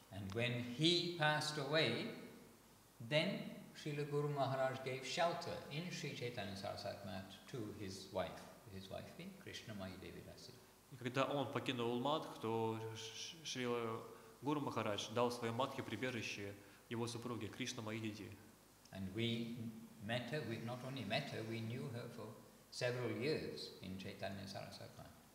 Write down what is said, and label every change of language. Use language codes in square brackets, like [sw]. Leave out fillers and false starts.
[en] And when he passed away, then Srila Guru Maharaj gave shelter in Sri Chaitanya Sarasat Mat to his wife being Krishnamayi Devidasi. [ru] Когда он покинул матх, то Шрила Гуру Махарадж дал своей матке прибежище его супруге Кришнамайи Диди. [en] And we met her, we not only met her, we knew her for several years in Chaitanya Sarasat Mat.